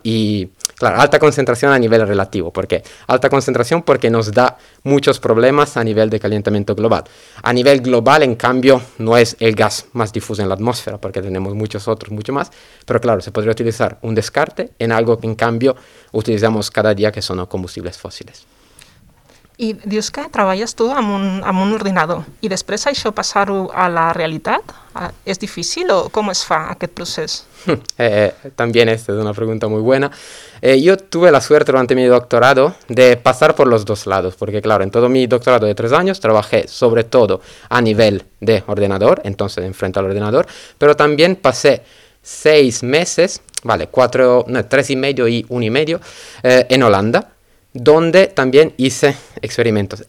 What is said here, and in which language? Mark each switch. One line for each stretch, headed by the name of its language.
Spanish: Y claro, alta concentración a nivel relativo. ¿Por qué? Alta concentración porque nos da muchos problemas a nivel de calentamiento global. A nivel global, en cambio, no es el gas más difuso en la atmósfera, porque tenemos muchos otros, mucho más. Pero claro, se podría utilizar un descarte en algo que, en cambio, utilizamos cada día, que son combustibles fósiles.
Catalan: I dius que treballes tu amb un ordinador i després això passar-ho a la realitat és difícil o com es fa aquest procés?
Spanish: También esta es una pregunta muy buena. Yo tuve la suerte durante mi doctorado de pasar por los dos lados, porque claro, en todo mi doctorado de 3 años trabajé sobre todo a nivel de ordenador, entonces enfrente al ordenador, pero también pasé 6 meses, vale, 3 y medio y 1 y medio en Holanda, donde también hice experimentos.